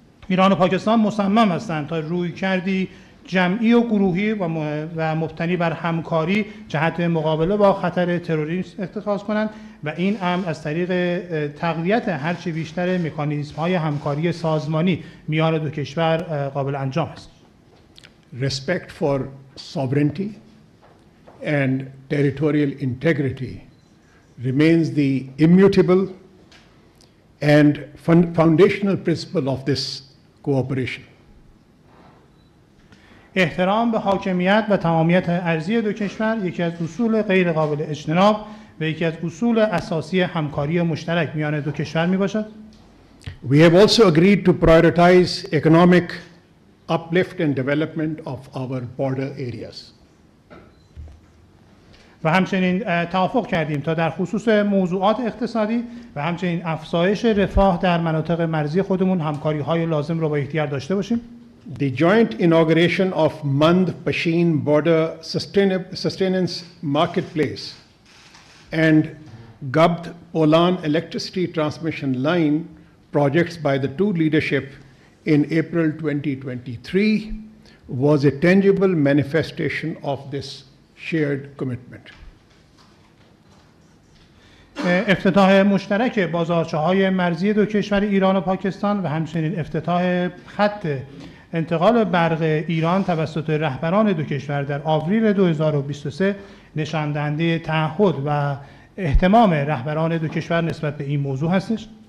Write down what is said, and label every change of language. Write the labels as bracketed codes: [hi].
[fa] Iran و پاکستان مصمم هستند تا روی کردی جمعی و گروهی و مبتنی بر همکاری جهت مقابله با خطر تروریسم اتخاذ کنند و این هم از طریق تقویت هرچه بیشتر مکانیزم های همکاری سازمانی میان دو کشور قابل انجام است. [en] Respect for sovereignty and territorial integrity remains the immutable and foundational principle of this cooperation. [fa] احترام به حاکمیت و تمامیت ارضی دو کشور یکی از اصول غیر قابل اجتناب و یکی از اصول اساسی همکاری مشترک میان دو کشور میباشد. [en] We have also agreed to prioritize economic uplift and development of our border areas. [fa] و همچنین توافق کردیم تا در خصوص موضوعات اقتصادی و همچنین افزایش رفاه در مناطق مرزی خودمون همکاری‌های لازم رو با یکدیگر داشته باشیم. [en] The joint inauguration of Mand Pashin border sustenance marketplace and Gabd Polan electricity transmission line projects by the two leadership in April 2023 was a tangible manifestation of this shared commitment. [fa] افتتاح مشترک بازارچه‌های مرزی دو کشور ایران و پاکستان و همچنین افتتاح خط انتقال برق ایران توسط رهبران دو کشور در آوریل 2023 نشان دهنده تعهد و اهتمام رهبران دو کشور نسبت به این موضوع هستش.